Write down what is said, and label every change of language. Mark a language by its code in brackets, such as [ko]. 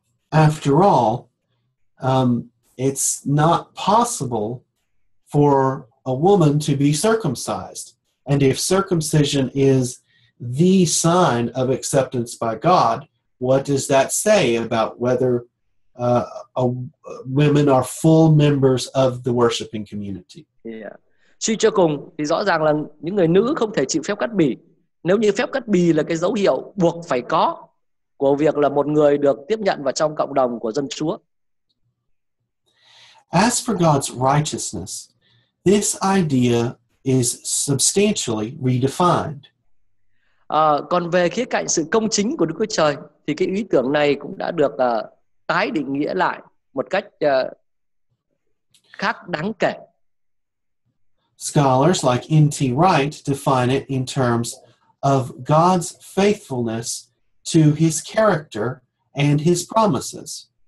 [en] After all, it's not possible for a woman to be circumcised. And if circumcision is the sign of acceptance by God, what does that say about whether women are full members of the worshiping community? Yeah. [vi] Suy cho cùng thì rõ ràng là những người nữ không thể chịu phép cắt bì. Nếu như phép cắt bì là cái dấu hiệu buộc phải có của việc là một người được tiếp nhận vào trong cộng đồng của dân Chúa. [en] As for God's righteousness, this idea is substantially redefined. [vi] Còn về khía cạnh sự công chính của Đức Chúa Trời thì cái ý tưởng này cũng đã được tái định nghĩa lại một cách khác đáng kể. [en] Scholars like N.T. Wright define it in terms of God's faithfulness to his character and his promises.